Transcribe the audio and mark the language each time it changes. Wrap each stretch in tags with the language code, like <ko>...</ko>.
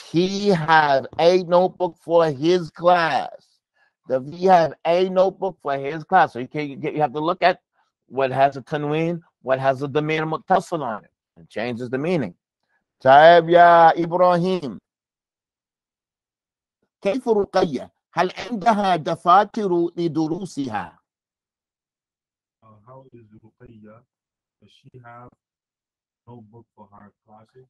<en>he have a notebook for his class? Does he have a notebook for his class? So you have to look at what has a tanween, what has a dhamir muttasil on it, and changes the meaning.</en> <ar>Taib ya Ibrahim. كيف رقية؟ هل عندها دفاتر لدروسها؟</ar> <en>How is Ruqayyah? Does she have notebook for her classes?</en>